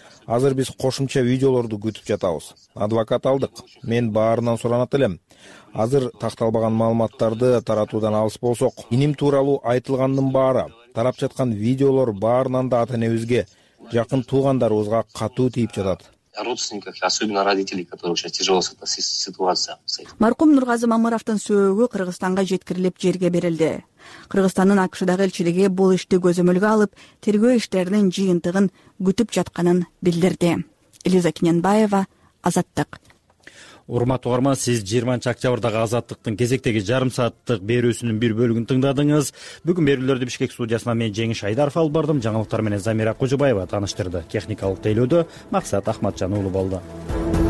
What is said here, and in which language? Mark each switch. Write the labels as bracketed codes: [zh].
[ky] Азыр биз кошумча видеолорду күтүп жатабыз. Адвокат алдык. Мен баарынан суранат элем. Азыр такталбаган маалыматтарды таратуудан алыс болсок, иним тууралуу айтылгандын баары, тарап жаткан видеолор баарынан да ата-энебизге, жакын туугандарыбызга катуу тийип жатат. [ru] Родственников, особенно родителей, которые сейчас тяжело ситуация. [ky] Марқум Нурғазы Мамыровтун сөөгү Кыргызстанга жеткирилип жерге берилди. Кыргызстандын АКШдагы элчилиги бул ишти көзөмөлгө алып, тергөө иштеринин жыйынтыгын күтүп жатканын билдирди. Элиза Кененбаева, Азаттык. Урматтуу угарман, сиз 20-октябрдагы Азаттыктын кезектеги жарым сааттык берүүсүнүн бир бөлүгүн тыңдадыңыз. Бүгүн берүүлөрдү Бишкек студиясынан мен Жеңиш Айдаров алып бардым. Жаңылыктар менен Замира Кожобаева тааныштырды. Техникалык тейлөөдө Максат Ахматжан уулу болду.